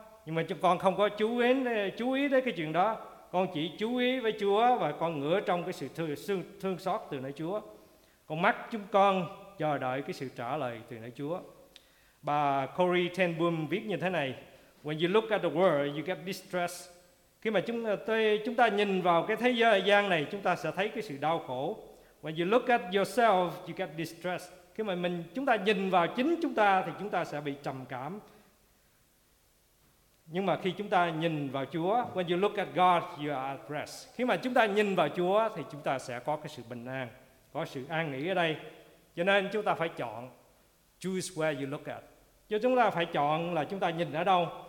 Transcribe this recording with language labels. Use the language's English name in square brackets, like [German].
[Vietnamese] Nhưng mà con không có chú ý đến cái chuyện đó. Con chỉ chú ý với Chúa và con ngửa trong cái sự thương xót từ nơi Chúa. Con mắt chúng con chờ đợi cái sự trả lời từ nơi Chúa. Bà Corrie Ten Boom viết như thế này: [English] When you look at the world, you get distressed. [Vietnamese] Khi mà chúng ta nhìn vào cái thế gian này, chúng ta sẽ thấy cái sự đau khổ. [English] When you look at yourself, you get distressed. [Vietnamese] Khi mà chúng ta nhìn vào chính chúng ta thì chúng ta sẽ bị trầm cảm. Nhưng mà khi chúng ta nhìn vào Chúa, [English] when you look at God, you are at rest. [Vietnamese] Khi mà chúng ta nhìn vào Chúa thì chúng ta sẽ có cái sự bình an, có sự an nghỉ ở đây. Cho nên chúng ta phải chọn, [English] choose where you look at. [Vietnamese] Cho chúng ta phải chọn là chúng ta nhìn ở đâu.